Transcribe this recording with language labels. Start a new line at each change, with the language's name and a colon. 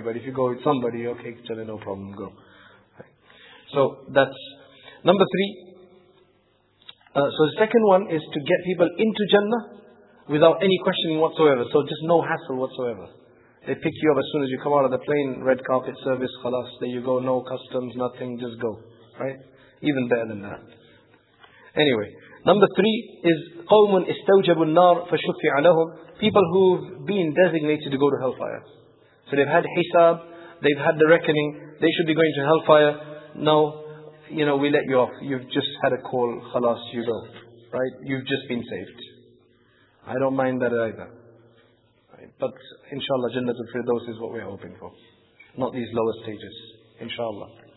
English: But if you go with somebody, okay, tell no problem, go. So that's number three. So the second one is to get people into Jannah without any questioning whatsoever. So just no hassle whatsoever. They pick you up as soon as you come out of the plane, red carpet service, khalas, there you go, no customs, nothing, just go. Right? Even better than that. Anyway, number three is
Arabic: قَوْمٌ إِسْتَوْجَبُ النَّارِ فَشُفِّعَ لَهُمْ.
English: People who've been designated to go to hellfire. So they've had hisab, they've had the reckoning, they should be going to hellfire. No, you know, we let you off. You've just had a call, khalas, you go. Right? You've just been saved. I don't mind that either. But inshallah, Jannah al-Firdaus is what we're hoping for. Not these lower stages. Inshallah.